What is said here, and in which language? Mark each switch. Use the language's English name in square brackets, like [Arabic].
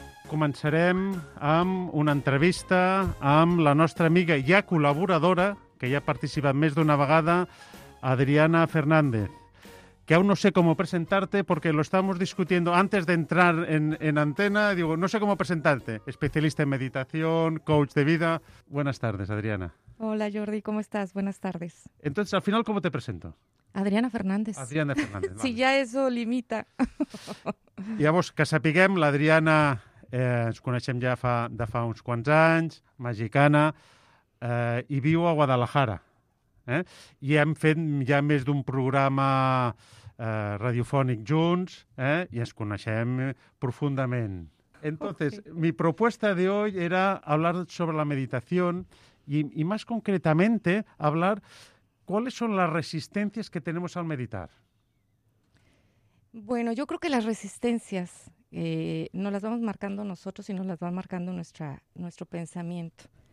[Catalan] Començarem amb una entrevista amb la nostra amiga i ja col·laboradora, que ja ha participat més d'una vegada, Adriana Fernández, [Spanish] que aún no sé cómo presentarte porque lo estábamos discutiendo antes de entrar en antena. Digo, no sé cómo presentarte. Especialista en meditación, coach de vida. Buenas tardes, Adriana. Hola, Jordi. ¿Cómo estás? Buenas tardes. Entonces, al final, ¿cómo te presento? Adriana Fernández. Adriana Fernández. Si ya eso limita. Y vamos, [Catalan] que sapiguem, la Adriana, ens coneixem ja de fa uns quants anys, mexicana, i viu a Guadalajara. I hem fet ja més d'un programa radiofònic junts i ens coneixem profundament. [Spanish] Entonces, okay. Mi propuesta de hoy era hablar sobre la meditación y más concretamente hablar cuáles son las resistencias que tenemos al meditar. Bueno, yo creo que las resistencias no las vamos marcando nosotros, sino las va marcando nuestro pensamiento.